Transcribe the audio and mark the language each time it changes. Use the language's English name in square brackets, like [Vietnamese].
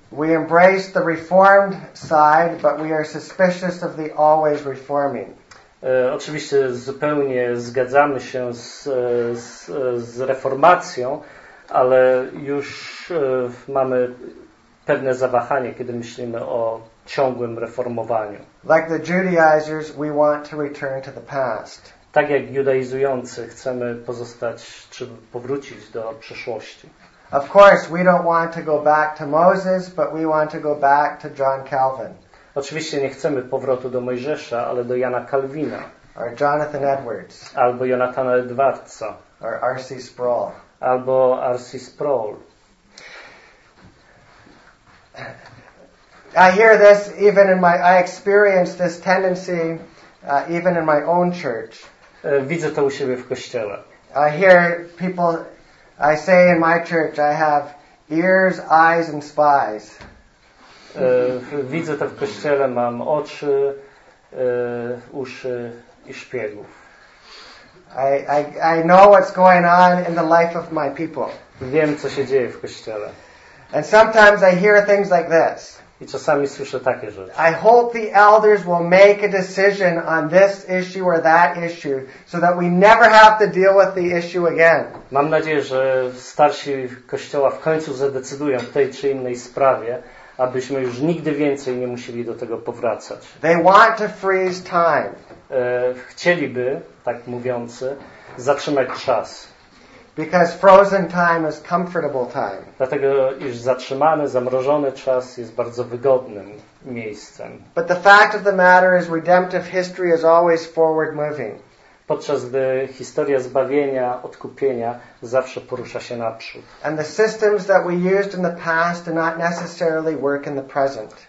[English] We embrace the reformed side, but we are suspicious of the always reforming. [Polish] Oczywiście zupełnie zgadzamy się z reformacją, ale już mamy pewne zawahanie, kiedy myślimy o ciągłym reformowaniu. [English] Like the Judaizers, we want to return to the past. [Polish] Tak jak judaizujący, chcemy pozostać czy powrócić do przeszłości. [English] Of course, we don't want to go back to Moses, but we want to go back to John Calvin. [Polish] Oczywiście nie chcemy powrotu do Mojżesza, ale do Jana Kalwina. [English] Or Jonathan Edwards. [Polish] Albo Jonathana Edwardsa. [English] Or R.C. Sproul. [Polish] albo R.C. Sproul. [English] I hear this even in my, I experience this tendency even in my own church. [Polish] Widzę to u siebie w kościele. [English] I hear people, I say in my church, I have ears, eyes and spies. [Polish] Widzę to w kościele, mam oczy, uszy i szpiegów. [English] I know what's going on in the life of my people. [Polish] Wiem, co się dzieje w kościele. [English] And sometimes I hear things like this. [Polish] I czasami słyszę takie rzeczy. [English] I hope the elders will make a decision on this issue or that issue so that we never have to deal with the issue again. [Polish] Mam nadzieję, że starsi kościoła w końcu zadecydują w tej czy innej sprawie, abyśmy już nigdy więcej nie musieli do tego powracać. [English] They want to freeze time. [Polish] Chcieliby, tak mówiący, zatrzymać czas. [English] Because frozen time is comfortable time. [Polish] Dlatego, iż zatrzymany, zamrożony czas jest bardzo wygodnym miejscem. [English] But the fact of the matter is, redemptive history is always forward moving. [Polish] Podczas gdy historia zbawienia, odkupienia zawsze porusza się naprzód. [English] And the systems that we used in the past do not necessarily work in the present.